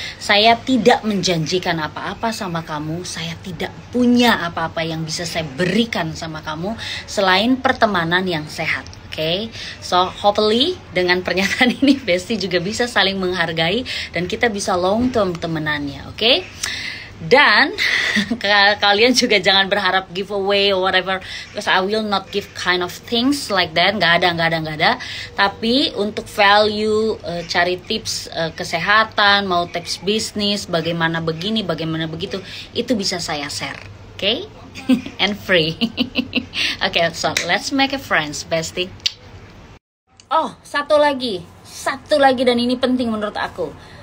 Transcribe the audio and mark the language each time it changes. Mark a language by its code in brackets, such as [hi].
[id] Saya tidak menjanjikan apa-apa sama kamu. Saya tidak punya apa-apa yang bisa saya berikan sama kamu selain pertemanan yang sehat. Okay. [en] So hopefully [id] dengan pernyataan ini bestie juga bisa saling menghargai dan kita bisa [en] long term [id] temenannya, okay? Dan kalian juga jangan berharap [en] giveaway or whatever, because I will not give kind of things like that. [id] Gak ada. Tapi untuk value, cari tips kesehatan, mau tips bisnis, bagaimana begini, bagaimana begitu, itu bisa saya share, okay? [en] And free. [id] Okay, [en] so let's make a friends, [id] bestie. Oh, satu lagi dan ini penting menurut aku.